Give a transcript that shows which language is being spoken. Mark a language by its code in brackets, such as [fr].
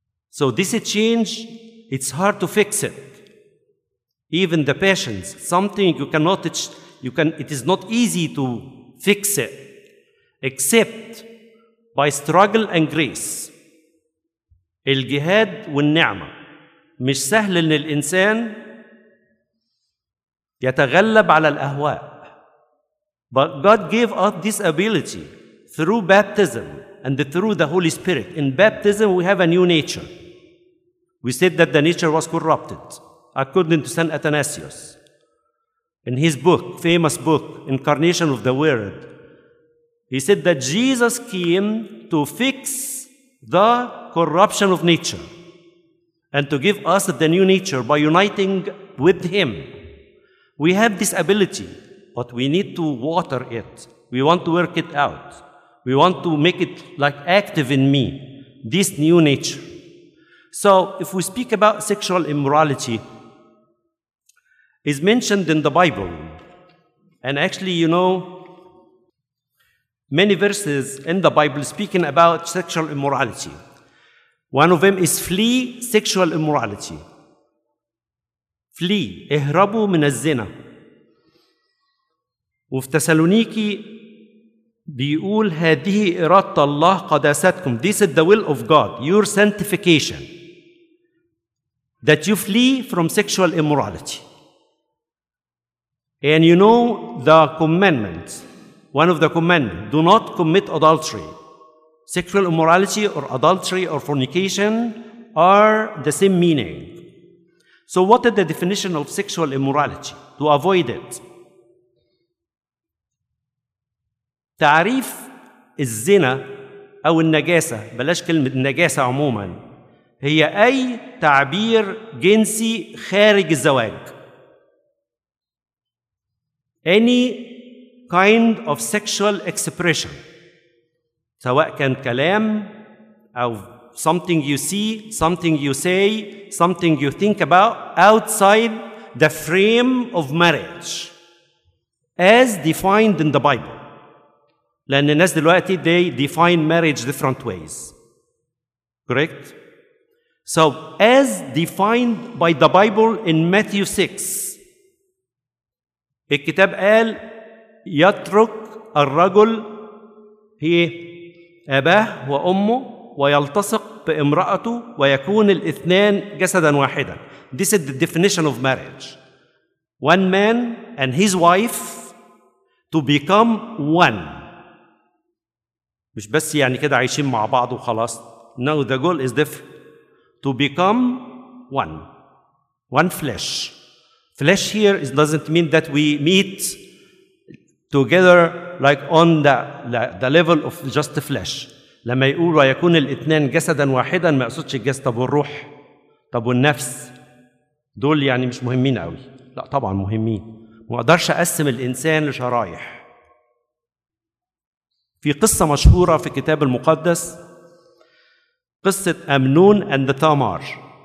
[en] So this change, it's hard to fix it. Even the patients, something you cannot, you can, it is not easy to fix it, except by struggle and grace. [ar] الجهاد والنعمة. مش سهل إن الإنسان يتغلب على الأهواء. [en] But God gave us this ability through baptism and through the Holy Spirit. In baptism, we have a new nature. We said that the nature was corrupted, according to St. Athanasius. In his book, famous book, Incarnation of the Word, he said that Jesus came to fix the corruption of nature and to give us the new nature by uniting with him. We have this ability, but we need to water it. We want to work it out. We want to make it like active in me, this new nature. So if we speak about sexual immorality, it's mentioned in the Bible. And actually, you know, many verses in the Bible speaking about sexual immorality. One of them is flee sexual immorality. [ar] Flee, اهربوا من الزنا. وفي تسالونيكي بيقول هذه إرادة الله قداستكم. [en] This is the will of God, your sanctification, that you flee from sexual immorality. And you know the commandments, one of the commandments, do not commit adultery. Sexual immorality or adultery or fornication are the same meaning. So what is the definition of sexual immorality? To avoid it. [ar] تعريف الزنا أو النجاسة، بلاش كلمة النجاسة عموما، هي أي تعبير جنسي خارج الزواج. [en] Any kind of sexual expression, [ar] سواء كان كلام أو [en] something you see, something you say, something you think about outside the frame of marriage as defined in the Bible. [ar] لأن الناس دلوقتي [en] they define marriage different ways. Correct? So as defined by the Bible in Matthew 6, [ar] الكتاب قال يترك الرجل هي أباه وأمه ويلتصق بامرأته ويكون الاثنان جسدا واحدا. [en] This is the definition of marriage. One man and his wife to become one. [ar] مش بس يعني كده عايشين مع بعض وخلاص. [en] No, the goal is different. To become one. One flesh. Flesh here is doesn't mean that we meet together like on the level of just flesh. [ar] لما يقول ويكون الاثنان جسدا واحدا ما يقصدش الجسد. طب والروح؟ طب والنفس؟ دول يعني مش مهمين قوي. لا طبعا مهمين. ما اقدرش اقسم الانسان لشرايح. في قصه مشهوره في الكتاب المقدس، قصه امنون اند تامار.